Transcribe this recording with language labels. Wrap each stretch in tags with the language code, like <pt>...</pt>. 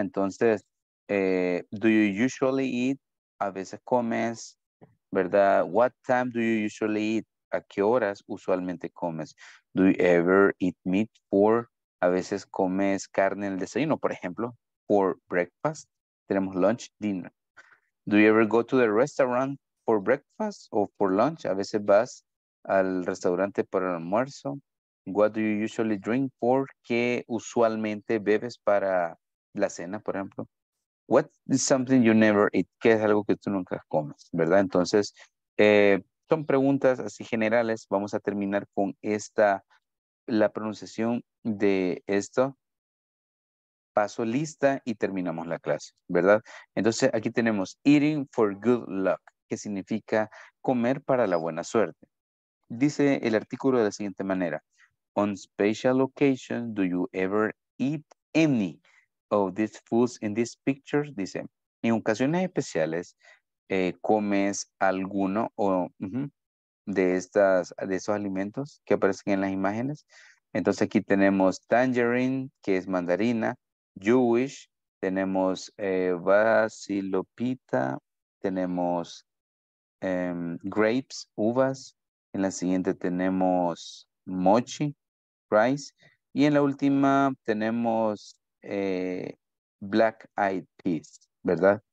<es>Entonces,</es> <en>do you usually eat?</en> <es>A veces comes, ¿verdad?</es> <en>What time do you usually eat?</en> <es>¿A qué horas usualmente comes?</es> <en>Do you ever eat meat for?</en> <es>A veces comes carne en el desayuno, por ejemplo,</es> <en>for breakfast.</en> <es>Tenemos lunch, dinner.</es> <en>Do you ever go to the restaurant for breakfast or for lunch?</en> <es>A veces vas al restaurante para el almuerzo.</es> <en>What do you usually drink for?</en> <es>¿Qué usualmente bebes para la cena, por ejemplo?</es> <en>What is something you never eat?</en> <es>¿Qué es algo que tú nunca comes? ¿Verdad? Entonces, son preguntas así generales. Vamos a terminar con esta, la pronunciación de esto. Paso lista y terminamos la clase, ¿verdad? Entonces, aquí tenemos</es> <en>eating for good luck,</en> <es>que significa comer para la buena suerte. Dice el artículo de la siguiente manera.</es> <en>On special occasions, do you ever eat any of these foods in these pictures?</en> <es>Dice, en ocasiones especiales, ¿comes alguno o de estos alimentos que aparecen en las imágenes? Entonces aquí tenemos tangerine, que es mandarina, Jewish, tenemos basilopita, tenemos grapes, uvas, en la siguiente tenemos mochi, rice, y en la última tenemos black eyed peas, ¿verdad?</es>